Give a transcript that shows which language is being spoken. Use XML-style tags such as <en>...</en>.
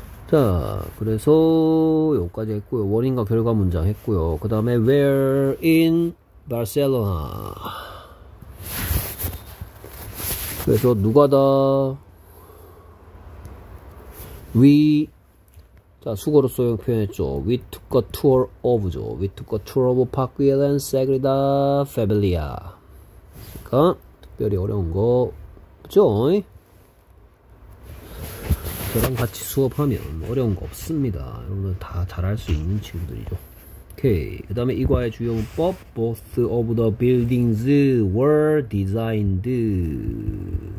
<ko>자, 그래서 여기까지 했고요. 원인과 결과 문장 했고요. 그 다음에</ko> <en>Where in Barcelona?</en> <ko>그래서 누가 다? We, 자, 수거로 써용 표현했죠.</ko> <en>We took a tour of죠. We took a tour of Park Güell and Sagrada Familia.</en> <ko>그러니까 특별히 어려운 거 없죠? 저랑 같이 수업하면 어려운 거 없습니다. 여러분은 다 잘할 수 있는 친구들이죠. 오케이. 그 다음에 이과의 주요 문법.</ko> <en>Both of the buildings were designed.</en>